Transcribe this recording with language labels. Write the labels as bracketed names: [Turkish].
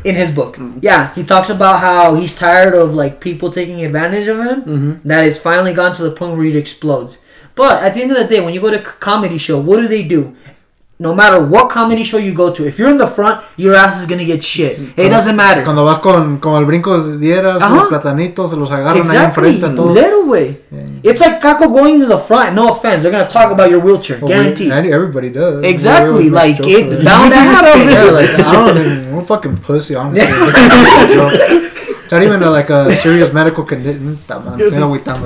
[English] In his book. Mm-hmm. Yeah, he talks about how he's tired of, like, people taking advantage of him. Mm-hmm. That it's finally gone to the point where it explodes. But at the end of the day, when you go to a comedy show, what do? No matter what comedy show you go to, if you're in the front, your ass is going to get shit. It doesn't matter. [Spanish] Cuando vas con el brinco de dieras, uh-huh. los platanitos, se los agarran [English] exactly. [Spanish] ahí enfrente a todos. [English] Little way. Yeah. It's like Caco going to the front. No offense. They're going to talk about your wheelchair. Well, guaranteed. Everybody does. Exactly. Like, it's bound to happen. Yeah, like, I don't even... I'm a fucking pussy, honestly. It's not even a, like a serious medical condition. [Spanish] No mames.